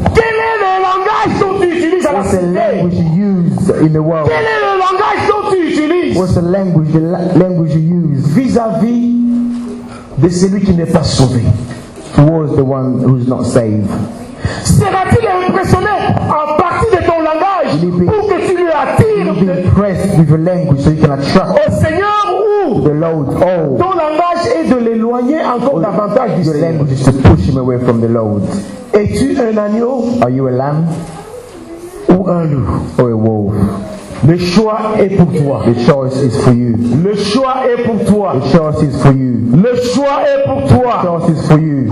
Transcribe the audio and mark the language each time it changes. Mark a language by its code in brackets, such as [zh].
[fr] Quel est le langage que tu utilises à la cité? [en] What's the language you use in the world? [fr] Quel est le langage que tu utilises? [en] What's the language you use? [fr] Vis-à-vis de celui qui n'est pas sauvé. [en] Towards the one who's not saved. [fr] Seras-tu impressionné en partie de ton langage pour que tu lui attires [en] the language so you can attract [fr] au Seigneur ou [en] the Lord, oh, [fr] ton langage est de l'éloigner encore davantage du [en] language is to push him away from the Lord. [fr] Es-tu un agneau? [en] Are you a lamb? [fr] Ou un loup? [en] Or a wolf? [fr] Le choix est pour toi. [en] The choice is for you. [fr] Le choix est pour toi. [en] The choice is for you. [fr] Le choix est pour toi. [en] The choice is for you.